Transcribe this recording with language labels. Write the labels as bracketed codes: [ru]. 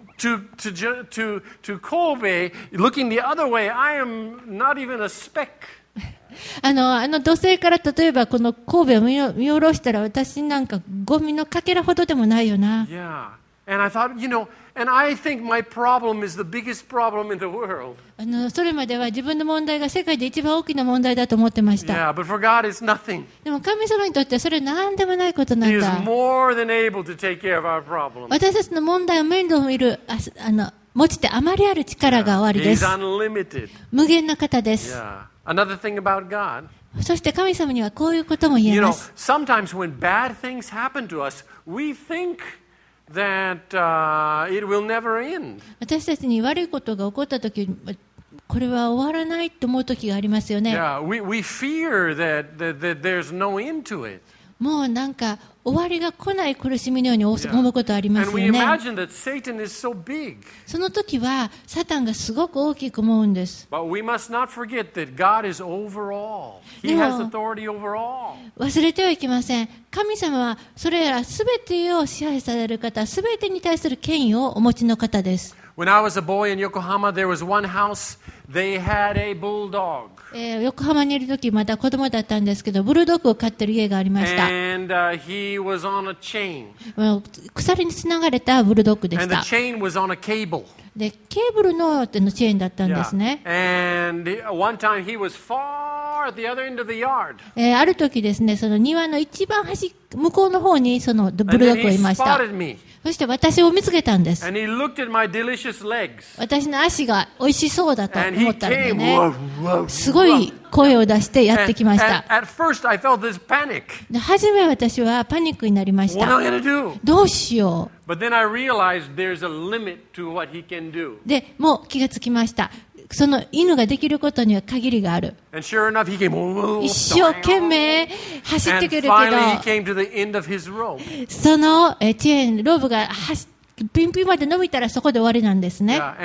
[en] To Kobe, looking the other way, I am not even a speck. [ja] あの土星から例えばこの神戸を見下ろしたら私なんかゴミのかけらほどでもないよな。 [en] Yeah, and I thought, you know, and I think my problem is the biggest problem in the world. [ja] それまでは自分の問題が世界で一番大きな問題だと思ってました。 [en] Yeah, but for God, it's nothing. [ja] でも神様にとってそれ何でもないことなんだ。 [en] He is more than able to take care of our problems. [ja] 私たちの問題を面倒見る持ちてあまりある力が終わりです。 [en] He's unlimited. [ja] 無限の方です。 [en] Yeah. Another thing about God. [ja] そして神様にはこういうことも言えます。 [en] You know, sometimes when bad things happen to us, we think. That, it will never end. [ja] 私たちに悪いことが起こったとき、これは終わらないと思うときがありますよね。 [en] Yeah, we fear that there's no end to it. [ja] もうなんか終わりが来ない苦しみのように思うことありますよね。 [en] Yeah. And we imagine that Satan is so big. [ja] そのときはサタンがすごく大きく思うんです。 [en] But we must not forget that God is over all. He has authority over all. [ja] 忘れてはいけません。神様はそれらすべてを支配される方、すべてに対する権威をお持ちの方です。 [en] When I was a boy in Yokohama, there was one house, they had a bulldog. [ja] 横浜にいるときまだ子供だったんですけど、ブルドッグを飼ってる家がありました。 [en] And he was on a chain. [ja] 鎖につながれたブルドッグでした。 [en] And the chain was on a cable. [ja] で、ケーブルのチェーンだったんですね。 [en] Yeah. And one time he was far. [ja] ある時ですね、その庭の一番端向こうの方にそのブルドッグがいました。そして私を見つけたんです。 [en] And he looked at my delicious legs. [ja] 私の足が美味しそうだと思ったんでね、すごい声を出してやってきました。 [en] at first I felt this panic. [ja] で初め私はパニックになりました。 [en] What am I gonna do? [ja] どうしよう。 [en] But then I realized there's a limit to what he can do. [ja] でもう気がつきました。その犬ができることには限りがある。 [en] Sure、enough, [ja] 一生懸命走ってくるけど、そのチェーン、ローブがピンピンまで伸びたらそこで終わりなんですね。